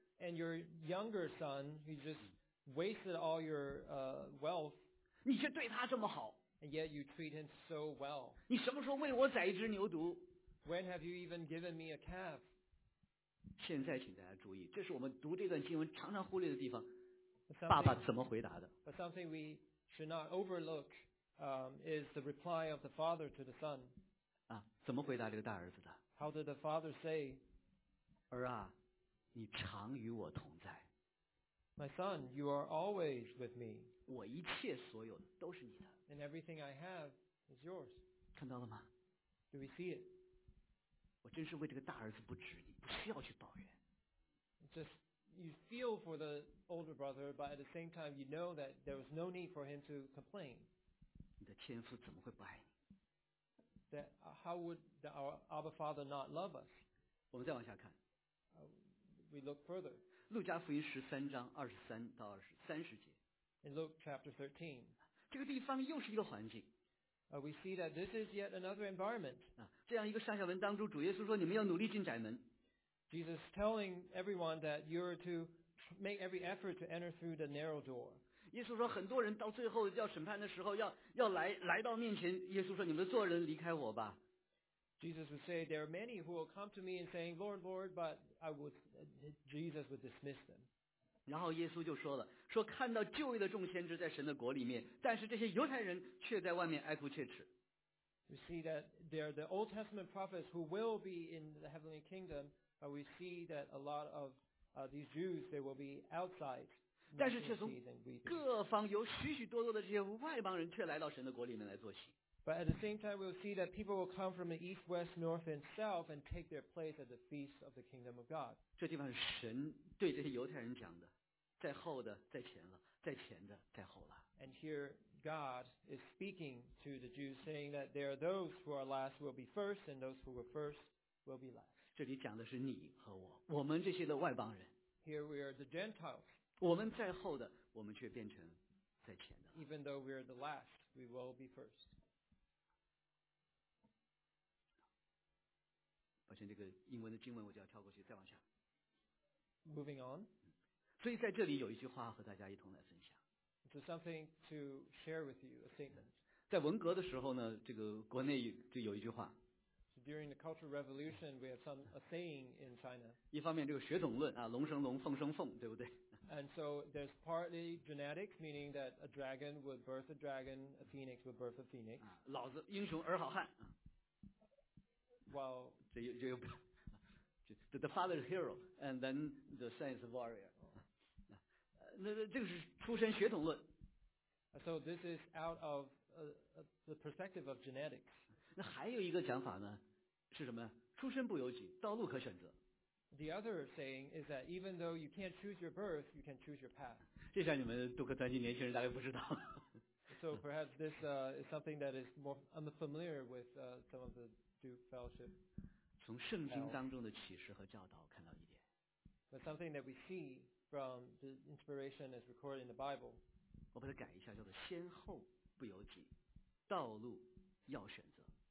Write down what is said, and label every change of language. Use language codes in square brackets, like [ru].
[en] And your younger son, he just wasted all your wealth. [zh] 你却对他这么好。 [en] And yet you treat him so well. [zh] 你什么时候为我宰一只牛犊？ [en] When have you even given me a calf? [zh] 现在请大家注意，这是我们读这段经文常常忽略的地方。爸爸怎么回答的？ [en] But something we should not overlook, is the reply of the father to the son. [zh] 啊，怎么回答这个大儿子的？ [en] How did the father say? [zh] 儿啊，你常与我同在。 [en] My son, you are always with me. [zh] 我一切所有的都是你的。 [en] And everything I have is yours. [zh] 看到了吗？ [en] Do we see it? [zh] 我真是为这个大儿子不值，你不需要去抱怨。 [en] Just you feel for the older brother, but at the same time you know that there was no need for him to complain. [zh] 你的天父怎么会不爱你？ [en] That how would our Abba Father not love us? [zh] 我们再往下看。 [en] We look further. [zh] 路加福音十三章二十三到30节。 [en] In Luke chapter 13. [zh] 这个地方又是一个环境。 [en] We see that this is yet another environment. [zh] 这样一个上下文当中，主耶稣说你们要努力进窄门。 [en] Jesus telling everyone that you're to make every effort to enter through the narrow door. [zh] 耶稣说很多人到最后要审判的时候要来到面前，耶稣说你们做人离开我吧。 [en] Jesus would say there are many who will come to me and saying Lord, Lord, but Jesus would dismiss them. [zh] 然后耶稣就说了，说看到旧约的众先知在神的国里面，但是这些犹太人却在外面哀哭切齿。 [en] We see that there are the Old Testament prophets who will be in the heavenly kingdom, but we see that a lot of these Jews, they will be outside. [zh] 但是却从各方有许许多多的这些外邦人却来到神的国里面来坐席。 [en] But at the same time, we'll see that people will come from the east, west, north, and south and take their place at the feast of the kingdom of God. [zh] 这地方是神对这些犹太人讲的，在后的在前了，在前的在后了。 [en] And here God is speaking to the Jews, saying that there are those who are last will be first, and those who were first will be last. [zh] 这里讲的是你和我，我们这些的外邦人。 [en] Here we are the Gentiles. [zh] 我们在后的，我们却变成在前的。 [en] Even though we are the last, we will be first. [zh] 抱歉，这个英文的经文我就要跳过去，再往下。 [en] Moving on. [zh] 所以在这里有一句话和大家一同来分享。 [en] There's something to share with you, a statement. [zh] 在文革的时候呢，这个国内就有一句话。 [en] So、during the Cultural Revolution, we have a saying in China. [zh] 一方面这个血统论啊，龙生龙，凤生凤，对不对 [en] ？And so there's partly genetics, meaning that a dragon would birth a dragon, a phoenix would birth a phoenix.、 [zh] 啊、老子英雄儿好汉。 [en] Well, the father is hero, and then the son is warrior. [zh] 那这个是出身血统论。 [en] So this is out of the perspective of genetics. [zh] 那还有一个讲法呢，是什么？出身不由己，道路可选择。 [en] The other saying is that even though you can't choose your birth, you can choose your path. [zh] 这下你们杜克传奇年轻人大概不知道。 [en] So perhaps this is something that is more unfamiliar with some of the. [zh] 从圣经当中的启示和教导看到一点。 [en] But something that we see from the inspiration as recorded in the Bible. [zh] 我把它改一下，叫做先后不由己，道路要选择。